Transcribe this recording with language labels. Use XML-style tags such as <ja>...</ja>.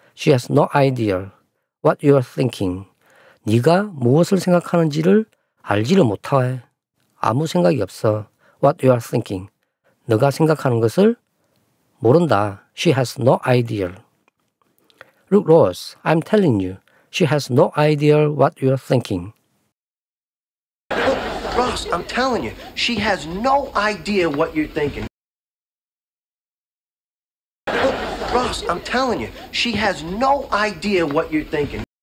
<en>She has no idea what you are thinking.</en> <ko>네가 무엇을 생각하는지를 알지를 못해. 아무 생각이 없어.</ko> <en>What you are thinking.</en> <ko>네가 생각하는 것을 모른다.</ko> <en>She has no idea. Look, Rose, I'm telling you. She has no idea what you are thinking. Ross, I'm telling you. She has no idea what you're thinking. Ross, I'm telling you, she has no idea what you're thinking.</en>